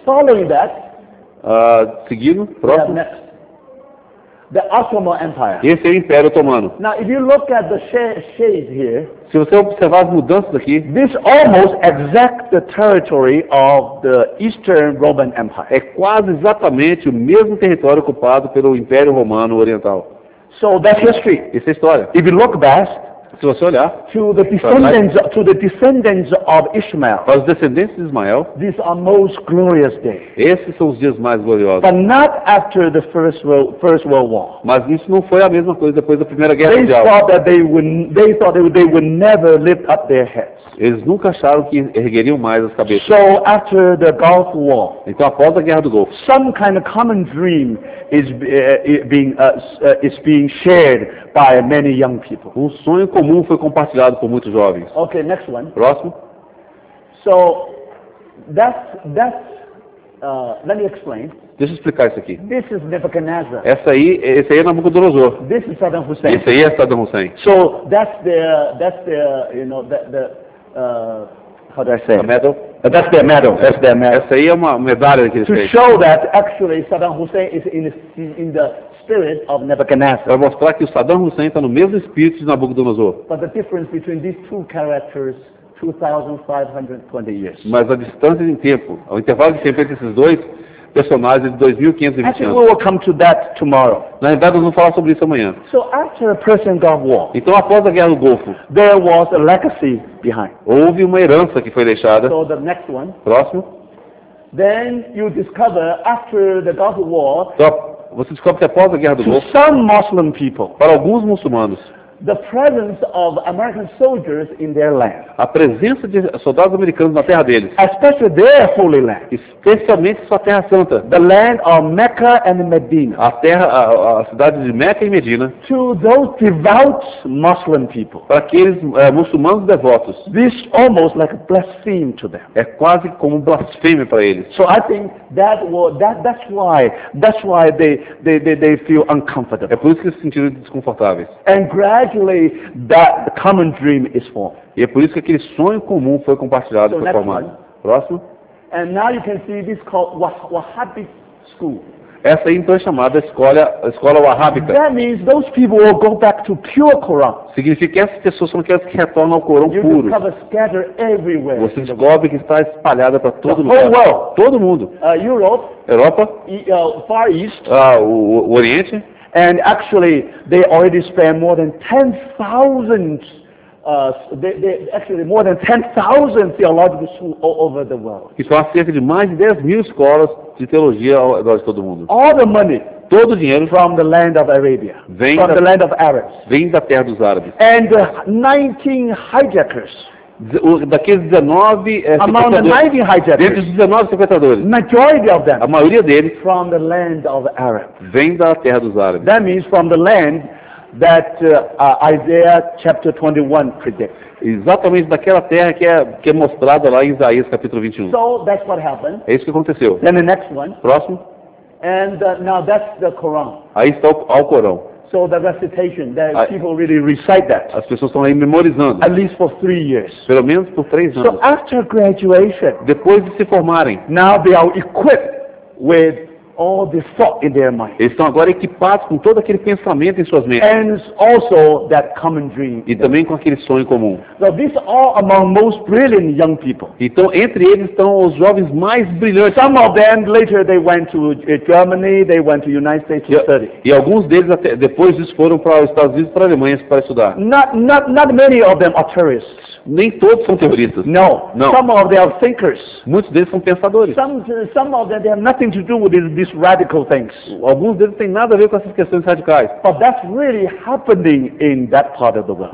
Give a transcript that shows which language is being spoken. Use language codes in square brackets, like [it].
[en] Following that. [pt] Seguindo, próximo. [en] The Ottoman Empire. [pt] Esse é o Império Otomano. [en] Now, if you look at the shades here, [pt] se você observar as mudanças aqui, [en] this almost exact the territory of the Eastern Roman Empire. [pt] É quase exatamente o mesmo território ocupado pelo Império Romano Oriental. [en] So that's history. [pt] Essa é a história. [en] If you look back, [pt] se você olhar, [en] to the descendants of Ishmael, [pt] para os descendentes de Ismael, [en] these are most glorious days. [pt] Esses são os dias mais gloriosos. [en] But not after the First World War. [pt] Mas isso não foi a mesma coisa depois da Primeira Guerra Mundial. [en] They thought they would never lift up their heads. [pt] Eles nunca acharam que ergueriam mais as cabeças. [en] So after the Gulf War, [pt] então após a Guerra do Golfo, [en] some kind of common dream is being shared by many young people. [pt] Um sonho comum foi compartilhado por muitos jovens. [en] Okay, next one. [pt] Próximo. [en] So, that's let me explain. [pt] Deixa eu explicar isso aqui. [en] This is Nebuchadnezzar. [pt] Esse aí é Nabucodonosor. [en] This is Saddam Hussein. [pt] Esse aí é Saddam Hussein. [en] So, that's their medal. That's their medal. That's their medal. [pt] Essa aí é uma medalha que eles [en] têm. To show that actually Saddam Hussein is in the spirit of Nebuchadnezzar. [pt] Para mostrar que o Saddam Hussein está no mesmo espírito de Nabucodonosor. [en] But the difference between these two characters 2520 years. [pt] Mas a distância em tempo, o intervalo de tempo entre esses dois personagens de 2520 anos. [en] Actually, we will come to that tomorrow. [pt] Na verdade, nós vamos falar sobre isso amanhã. [en] So after the Persian Gulf War. [pt] Então após a Guerra do Golfo. [en] There was a legacy behind. [pt] Houve uma herança que foi deixada. [en] So the next one. [pt] Próximo. [en] Then you discover after the Gulf War. [pt] Então, você descobre que após a Guerra do [en] to [pt] Golfo. [en] Some Muslim people. [pt] Para alguns muçulmanos. [en] The presence of American soldiers in their land. [pt] A presença de soldados americanos na terra deles. [en] Especially their holy land. [pt] Especialmente sua terra santa. [en] The land of Mecca and Medina. [pt] A terra, a cidade de Mecca e Medina. [en] To those devout Muslim people. [pt] Para aqueles muçulmanos devotos. [en] This almost like a blaspheme to them. [pt] É quase como um blasfêmia para eles. [en] So I think that's why they feel uncomfortable. [pt] É por isso que eles se sentiram desconfortáveis. [en] And gradually that common dream is formed. [pt] E é por isso que aquele sonho comum foi compartilhado, foi formado. Próximo. [en] And now you can see this called Wahhabi school. [pt] Essa aí então é chamada escola wahhabita. [en] That means those people will go back to pure Quran. [pt] Significa que essas pessoas são aquelas que retornam ao Corão puro. [en] You discover scattered everywhere. [pt] Você descobre que está espalhada para todo [en] mundo. Oh, well, [pt] todo mundo. [en] Europe. [pt] Europa. [en] Far East. [pt] O Oriente. [en] And actually, they already spent more than 10,000. More than 10,000 theological schools all over the world. [pt] Então, há cerca de mais de 10 mil escolas de teologia ao redor de todo o mundo. [en] All the money, [pt] todo o dinheiro, [en] from the land of Arabia, from the land of Arabs, [pt] vem da terra dos árabes. [en] And 19 hijackers. [pt] Daqueles 19 [en] among the 19 hijackers, [pt] 19 sequestradores, [en] majority of them, [pt] a maioria deles, [en] from the land of Arabs, [pt] vem da terra dos árabes. [en] That means from the land that Isaiah chapter 21 predicts. [pt] Exatamente daquela terra que é mostrada lá em Isaías capítulo 21. [en] So that's what happened. [pt] É isso que aconteceu. [en] Then the next one. [pt] Próximo. [en] And now that's the Quran. [pt] Aí está o Corão. [en] So the recitation, that people really recite that. [pt] As pessoas estão aí memorizando. [en] At least for 3 years. [pt] Pelo menos por 3 anos. [en] So after graduation. [pt] Depois de se formarem. [en] Now they are equipped with all the thought in their mind. [pt] Eles estão agora equipados com todo aquele pensamento em suas mentes. [en] And also that common dream. [pt] E também com aquele sonho comum. [en] Now these are among most brilliant young people. [pt] Então entre eles estão os jovens mais brilhantes. [en] Some of them later they went to Germany, they went to United States to study. [pt] E alguns deles até depois disso foram para os Estados Unidos, para a Alemanha para estudar. [en] Not many of them are terrorists. [pt] Nem todos são terroristas. [en] No. [pt] Não. [en] Some of them are thinkers. [pt] Muitos deles são pensadores. [en] Some of them they have nothing to do with these radical things. [pt] Alguns deles têm nada a ver com essas questões radicais. [en] But that's really happening in that part of the world.